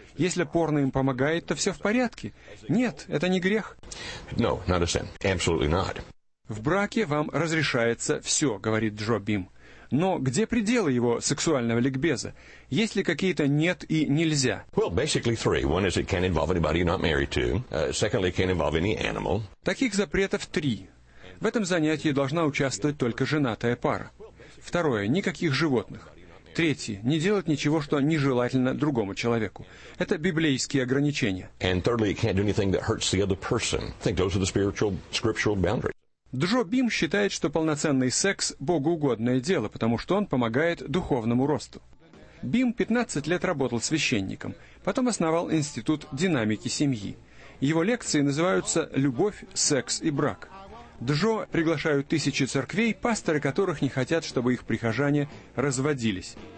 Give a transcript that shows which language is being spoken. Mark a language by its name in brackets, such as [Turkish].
[Russian] Если порно им помогает, то все в порядке. Нет, это не грех. [English] No, not a sin. Absolutely not. [Russian] В браке вам разрешается все, говорит Джо Бим. Но где пределы его сексуального ликбеза? Есть ли какие-то «нет» и «нельзя»? [English] Well, basically three. One is it can involve anybody you're not married to. Secondly, it can involve any animal. [Russian] Таких запретов три. В этом занятии должна участвовать только женатая пара. Второе, никаких животных. Третье, не делать ничего, что нежелательно другому человеку. Это библейские ограничения. [English] And thirdly, it can't do anything that hurts the other person. I think those are the spiritual, scriptural boundaries. [Russian] Джо Бим считает, что полноценный секс – богоугодное дело, потому что он помогает духовному росту. Бим 15 лет работал священником, потом основал Институт динамики семьи. Его лекции называются «Любовь, секс и брак». Джо приглашают тысячи церквей, пасторы которых не хотят, чтобы их прихожане разводились.